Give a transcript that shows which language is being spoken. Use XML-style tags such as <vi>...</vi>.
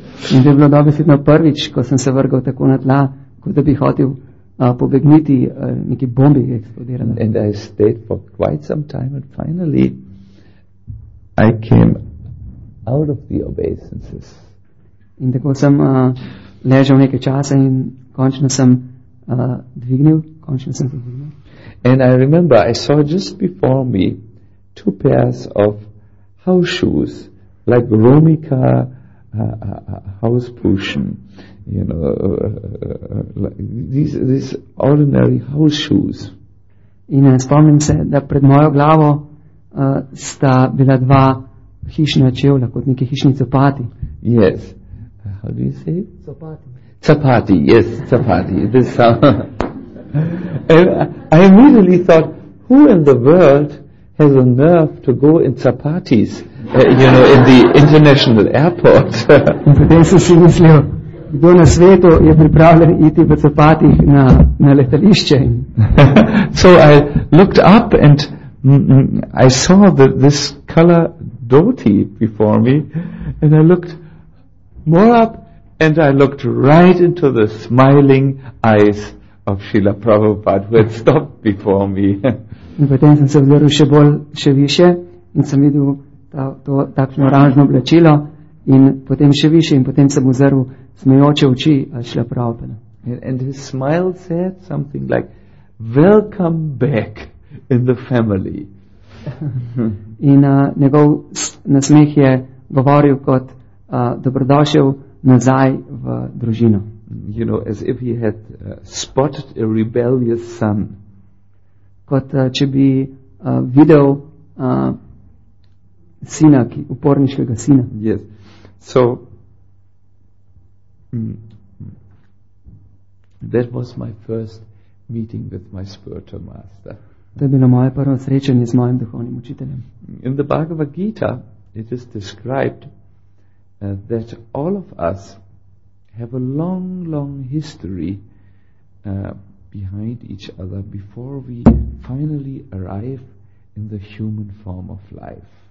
<sl>In to je bilo dobesedno prvič, ko sem se vrgal tako na tla, kot da bi hotel pobegniti neki bombi eksplodirala.</sl> <en>And I stayed for quite some time and finally I came out of the obeisances.</en> <sl>In tako sem ležal nekaj časa in končno sem dvignil, končno sem dvignil.</sl> <en>And I remember I saw just before me two pairs of house shoes, like Romika house cushion, you know, these ordinary house shoes.</en> <sl>In spomnim se, da pred mojo glavo sta bila dva hišna čevla, kot neki hišni copati.</sl> <en>Yes. How do you say it?</en> <sl>Copati. Copati,</sl> <en>yes,</en> <sl>copati.</sl> <en>This And I immediately thought, who in the world has a nerve to go in copatis, you know, in the international airport?</en> <sl>In potem sem si mislil, kdo na svetu je pripravljen iti v copatih na letališče.</sl> <en>So I looked up and I saw this color dhoti before me, and I looked more up, and I looked right into the smiling eyes of Srila Prabhupada, who had stopped before me.</en> <sl>In potem sem se obrnil še bolj, še više, in sem videl to takšno oranžno oblačilo, in potem še više, in potem sem obrnil smejoče oči Srila Prabhupada.</sl> <en>And his smile said something like, "Welcome back in the family."</en> <sl>In njegov nasmeh je govoril kot dobrodošel nazaj v družino.</sl> <en>You know, as if he had spotted a rebellious son.</en> <sl>Kot če bi videl sina, ki, uporniškega sina.</sl> <en>Yes. So, that was my first meeting with my spiritual master.</en> <sl>To je bilo moje prvo srečanje z mojim duhovnim učiteljem.</sl> <en>In the Bhagavad Gita it is described that all of us have a long, long history behind each other before we finally arrive in the human form of life.</en>